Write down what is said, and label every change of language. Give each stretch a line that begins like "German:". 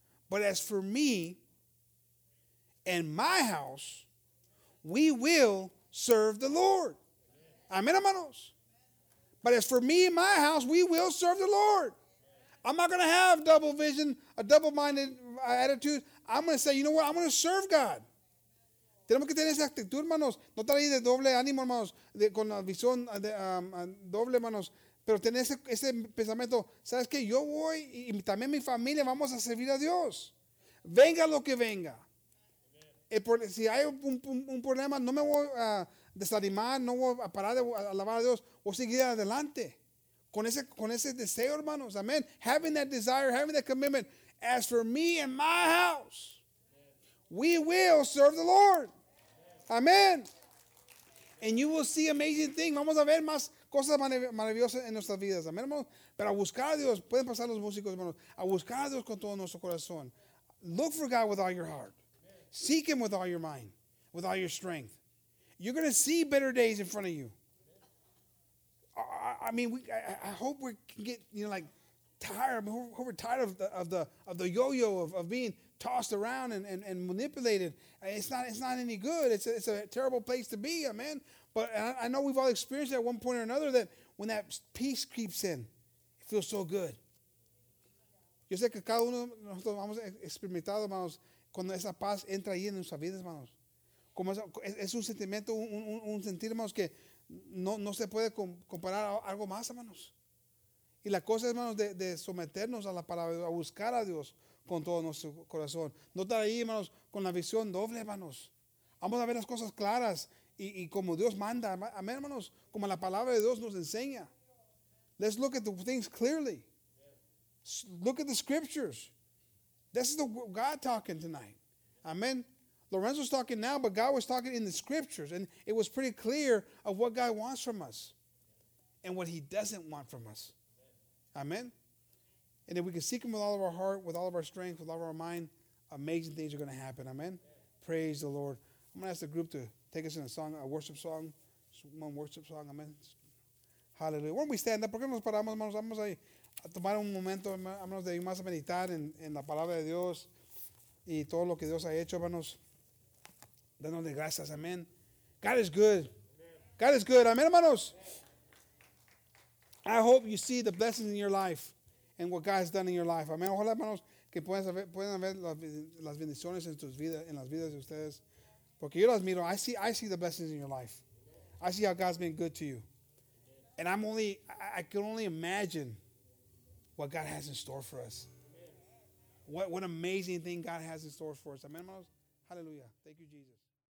English: But as for me and my house, we will serve the Lord. Amen, hermanos. But as for me and my house, we will serve the Lord. I'm not going to have double vision, a double-minded attitude. I'm going to say, you know what? I'm going to serve God.
Spanish: Tenemos que tener esa actitud, hermanos. No estar ahí de doble ánimo, hermanos, con la visión de doble, hermanos. Pero tener ese pensamiento, ¿sabes qué? Yo voy y también mi familia vamos a servir a Dios. Venga lo que venga. Si hay un problema, no me voy a desanimar, no voy a parar de alabar a Dios, voy a seguir adelante. Con ese deseo, hermanos, amén.
English: Having that desire, having that commitment, as for me and my house, we will serve the Lord. Amén. And you will see amazing things.
Spanish: Vamos a ver más cosas maravillosas en nuestras vidas. Amén, hermanos. Pero a buscar a Dios, pueden pasar los músicos, hermanos, a buscar a Dios con todo nuestro corazón.
English: Look for God with all your heart. Seek him with all your mind, with all your strength. You're going to see better days in front of you. I hope we can get, you know, like tired. I mean, hope we're tired of the yo-yo of being tossed around and manipulated. It's not any good. It's a terrible place to be, amen. But I know we've all experienced that at one point or another, that when that peace creeps in, it feels so good.
Spanish: Yo sé que cada uno de nosotros hemos experimentado, hermanos, cuando esa paz entra ahí en nuestras vidas, hermanos. Como es un sentimiento, un sentir, hermanos, que no se puede comparar a algo más, hermanos. Y la cosa, hermanos, de someternos a la palabra, a buscar a Dios con todo nuestro corazón. No estar ahí, hermanos, con la visión doble, hermanos. Vamos a ver las cosas claras y como Dios manda. Amén, hermanos, como la palabra de Dios nos enseña.
English: Let's look at the things clearly. Look at the scriptures. This is the God talking tonight. Amen. Lorenzo's talking now, but God was talking in the scriptures, and it was pretty clear of what God wants from us and what he doesn't want from us. Amen. And if we can seek him with all of our heart, with all of our strength, with all of our mind, amazing things are going to happen. Amen. Praise the Lord. I'm going to ask the group to take us in a song, a worship song. Just one worship song. Amen. Hallelujah. Why don't we stand up?
Spanish: ¿Por qué nos paramos, hermanos? Vamos a tomar un momento, hermanos, de ir más a meditar en la palabra de Dios y todo lo que Dios ha hecho, hermanos. Dándole gracias, amén.
English: God is good. God is good, amén, hermanos. I hope you see the blessings in your life and what God has done in your life.
Spanish: Amén. Ojalá, hermanos, que puedan ver las bendiciones en tus vidas, en las vidas de ustedes. Porque yo las miro.
English: I see the blessings in your life. I see how God's been good to you. And I can only imagine what God has in store for us. What amazing thing God has in store for us. Amen, hermanos. Hallelujah. Thank you, Jesus.